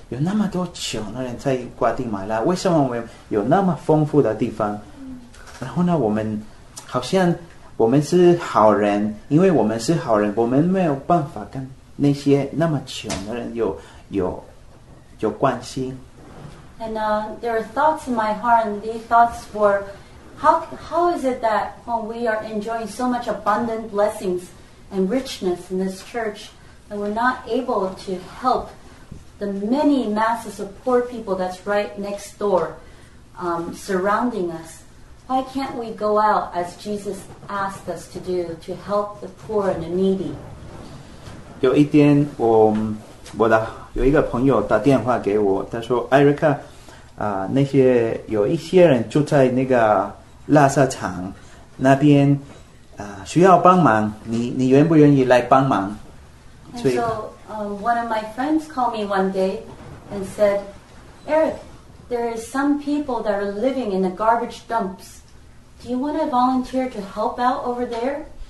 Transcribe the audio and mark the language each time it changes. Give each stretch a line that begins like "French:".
Chinese: 有那么多穷的人在瓜地马拉，为什么我们有那么丰富的地方？然后呢，我们好像。我们是好人，因为我们是好人，我们没有办法跟那些那么穷的人有关系。
English: And there are thoughts in my heart, and these thoughts were, how is it that when we are enjoying so much abundant blessings and richness in this church, And we're not able to help the many masses of poor people that's right next door, surrounding us. Why can't we go out as Jesus asked us to do, to help the poor and the needy?
Chinese: 有一天，我的有一个朋友打电话给我， 他说， Erica， 那些有一些人住在那个垃圾场， 那边， 需要帮忙， 你愿不愿意来帮忙？
English: And so, one of my friends called me one day and said, Eric, there are some people that are living in the garbage dumps. Do you want to volunteer to help out over there?